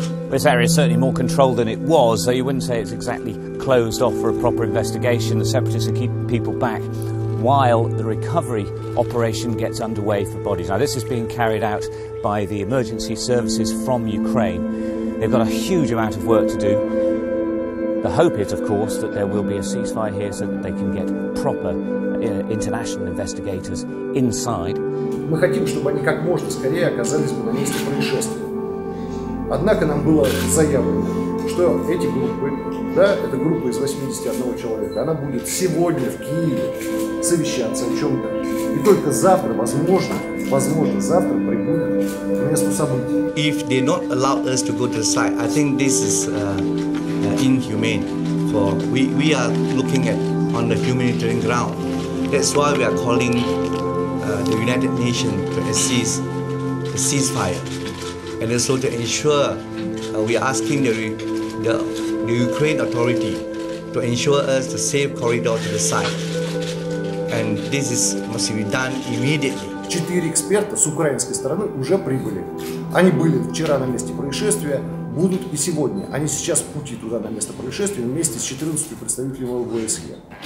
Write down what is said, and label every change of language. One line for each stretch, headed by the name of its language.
English: This area is certainly more controlled than it was, so you wouldn't say it's exactly closed off for a proper investigation. The separatists are keeping people back while the recovery operation gets underway for bodies. Now, this is being carried out by the emergency services from Ukraine. They've got a huge amount of work to do. The hope is, of course, that there will be a ceasefire here so that they can get proper international investigators inside.
Russian: Мы хотим, чтобы они как можно скорее оказались бы на месте происшествия. Однако нам было заявлено, что эти группы, да, это группа из 81 человека, она будет сегодня в Киеве совещаться о чем-то. И только завтра, возможно, возможно, завтра прибудет к месту событий.
English: If they not allow us to go to the site, I think this is inhumane. For we are looking at on the humanitarian ground. That's why we are calling the United Nations to assist the ceasefire. And also to ensure, we are asking the Ukraine authority to ensure us the safe corridor to the site. And this is must be done immediately.
Russian: Четыре эксперта с украинской стороны уже прибыли. Они были вчера на месте происшествия, будут и сегодня. Они сейчас в пути туда, на место происшествия, вместе с 14 представителями ОБСЕ.